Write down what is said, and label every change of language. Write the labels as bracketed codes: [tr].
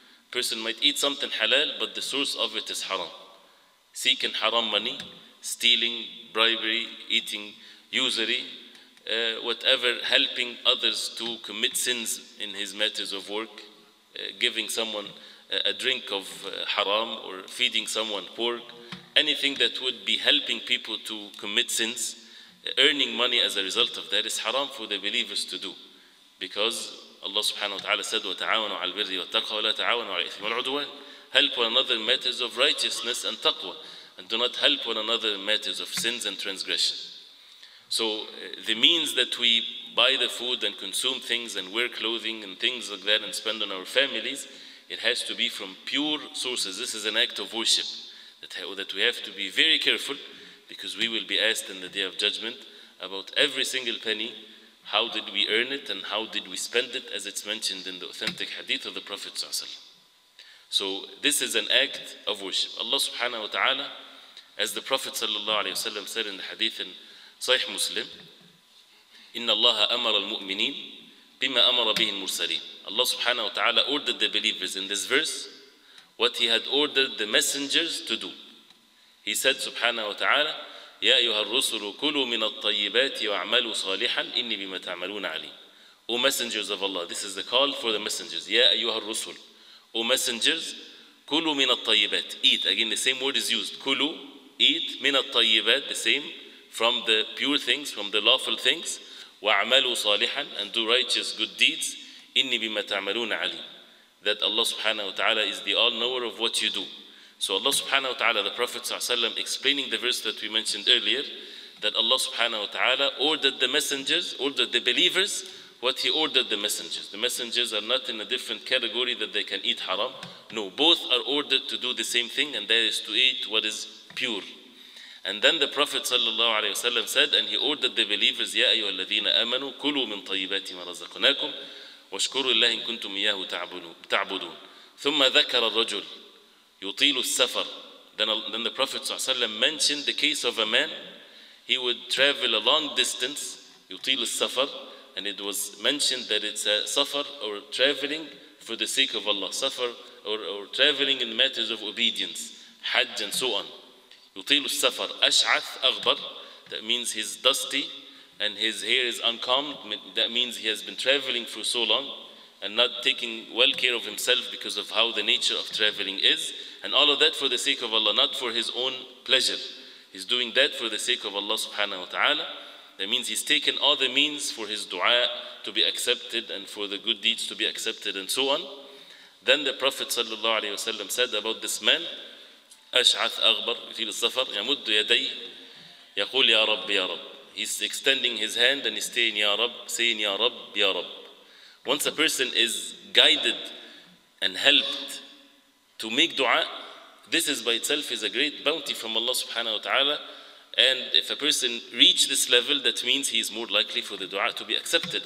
[en] Person might eat something halal, but the source of it is haram. Seeking haram money, stealing, bribery, eating usury, whatever, helping others to commit sins in his matters of work, giving someone a drink of haram or feeding someone pork, anything that would be helping people to commit sins, earning money as a result of that, is haram for the believers to do. Because Allah subhanahu wa ta'ala said, [ar] وَتَعَاوَنُوا عَلَى الْبِرِّ وَالتَّقْوَى وَلَا تَعَاوَنُوا عَلَى الْإِثْمِ وَالْعُدْوَانِ. [en] Help one another in matters of righteousness and taqwa, and do not help one another in matters of sins and transgression. So the means that we buy the food and consume things and wear clothing and things like that and spend on our families, it has to be from pure sources. This is an act of worship that we have to be very careful, because we will be asked in the Day of Judgment about every single penny. How did we earn it and how did we spend it, as it's mentioned in the authentic hadith of the Prophet ﷺ. So this is an act of worship. Allah subhanahu wa ta'ala, as the Prophet ﷺ said in the hadith in Sahih Muslim, [ar] إِنَّ اللَّهَ أَمَرَ الْمُؤْمِنِينَ بِمَا أَمَرَ بِهِ الْمُرْسَلِينَ. [en] Allah subhanahu wa ta'ala ordered the believers in this verse what He had ordered the messengers to do. He said subhanahu wa ta'ala, [ar] يا أيها الرسل كلوا من الطيبات وأعملوا صالحا إني بما تعملون عليم. [en] O messengers of Allah, this is the call for the messengers. [ar] يا أيها الرسل, [en] O messengers, [ar] كلوا من الطيبات, [en] eat. Again, the same word is used. [ar] كلوا, [en] eat, [ar] من الطيبات, [en] the same, from the pure things, from the lawful things. [ar] وأعملوا صالحا, [en] and do righteous good deeds. [ar] إني بما تعملون عليم. [en] That Allah subhanahu wa ta'ala is the all-knower of what you do. So Allah subhanahu wa ta'ala, the Prophet ﷺ, explaining the verse that we mentioned earlier, that Allah subhanahu wa ta'ala ordered the believers what He ordered the messengers. The messengers are not in a different category that they can eat haram. No, both are ordered to do the same thing, and that is to eat what is pure. And then the Prophet ﷺ said, and He ordered the believers, [ar] يَا أَيُّهَا الَّذِينَ آمَنُوا كُلُوا مِنْ طَيِّبَاتِ مَا رَزَقْنَاكُمْ وَاشْكُرُوا اللَّهِ إِن كُنْتُمْ إِيَّاهُ تَعْبُدُونَ. ثُمَّ ذَكَرَ الرَّجُلُ يُطِيلُ السَّفَرَ. [en] Then the Prophet ﷺ mentioned the case of a man. He would travel a long distance, [ar] يُطِيلُ السَّفَرَ, [en] and it was mentioned that it's a safar, or traveling for the sake of Allah. Safar, or traveling in matters of obedience, Hajj and so on. [ar] يُطِيلُ السَّفَرَ أَشْعَثْ أَغْبَرَ. [en] That means he's dusty and his hair is uncombed. That means he has been traveling for so long and not taking well care of himself because of how the nature of traveling is. And all of that for the sake of Allah, not for his own pleasure. He's doing that for the sake of Allah subhanahu wa ta'ala. That means he's taken all the means for his dua to be accepted and for the good deeds to be accepted and so on. Then the Prophet sallallahu alayhi wa sallam said about this man, [ar] أشعث أغبر في الصفر يمد يديه يقول يا رب يا رب. [en] He's extending his hand and he's saying [ar] يا رب, [en] saying [ar] يا رب يا رب. [en] Once a person is guided and helped to make dua, this is by itself is a great bounty from Allah subhanahu wa ta'ala. And if a person reach this level, that means he is more likely for the dua to be accepted.